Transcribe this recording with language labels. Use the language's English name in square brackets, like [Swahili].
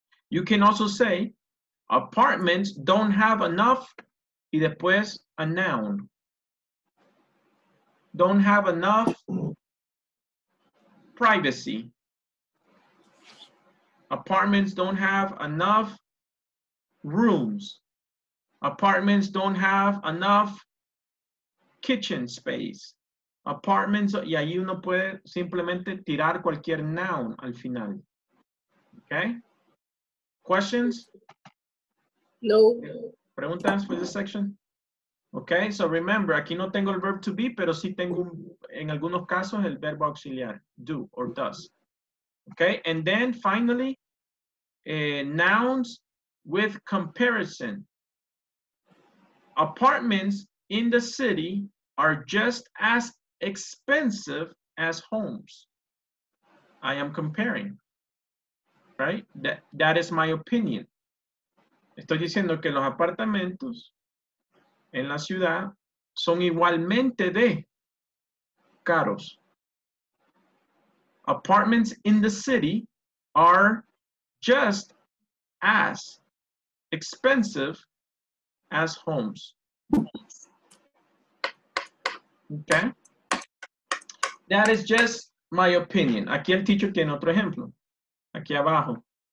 [English] You can also say, apartments don't have enough, [Spanish] y después [English] a noun. Don't have enough privacy. Apartments don't have enough rooms. Apartments don't have enough kitchen space, apartments, [Spanish] y ahí uno puede simplemente tirar cualquier noun al final. [English] Okay? Questions? No. [Spanish] ¿Preguntas [English] for this section? Okay, so remember, [Spanish] aquí no tengo el [English] verb to be, [Spanish] pero sí tengo en algunos casos el verbo auxiliar, [English] do or does. Okay, and then finally, nouns with comparison. Apartments in the city are just as expensive as homes. I am comparing, right? That is my opinion. [Spanish] Estoy diciendo que los apartamentos en la ciudad son igualmente de caros. [English] Apartments in the city are just as expensive as homes. Okay. That is just my opinion. [Spanish] Aquí el teacher tiene otro ejemplo. Aquí abajo.